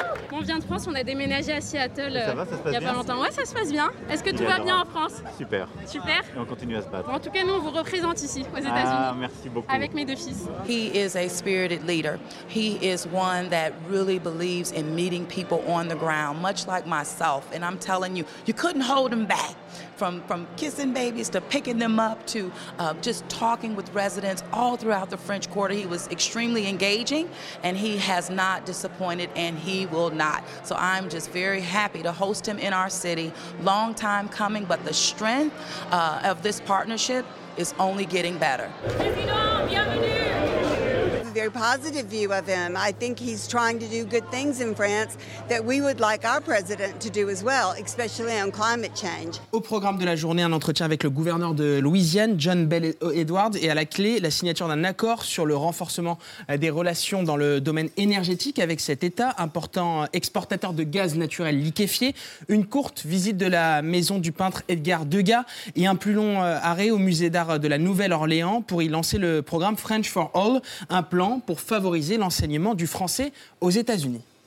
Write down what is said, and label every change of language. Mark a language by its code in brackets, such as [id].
[fr] On vient de France, on a déménagé à Seattle il n'y a pas longtemps. Ouais, ça se passe bien. Est-ce que tout va bien en France ? Super. Super. Et on continue à se battre. En tout cas, nous, on vous représente ici, aux États-Unis. Ah, merci beaucoup. Avec mes deux fils. [en] He is a spirited leader. He is one that really believes in meeting people on the ground, much like myself. And I'm telling you, you couldn't hold him back. From kissing babies to picking them up to just talking with residents all throughout the French Quarter. He was extremely engaging and he has not disappointed and he will not. So I'm just very happy to host him in our city. Long time coming, but the strength of this partnership is only getting better. [fr] President, bienvenue. [en] have a very positive view of him. I think he's trying to do good things in France that we would like our president to do as well, especially on climate change. [fr] Au programme de la journée, un entretien avec le gouverneur de Louisiane, John Bel Edward, et à la clé, la signature d'un accord sur le renforcement des relations dans le domaine énergétique avec cet État, important exportateur de gaz naturel liquéfié, une courte visite de la maison du peintre Edgar Degas et un plus long arrêt au musée d'art de la Nouvelle-Orléans pour y lancer le programme French for All, un plan pour favoriser l'enseignement du français aux États-Unis.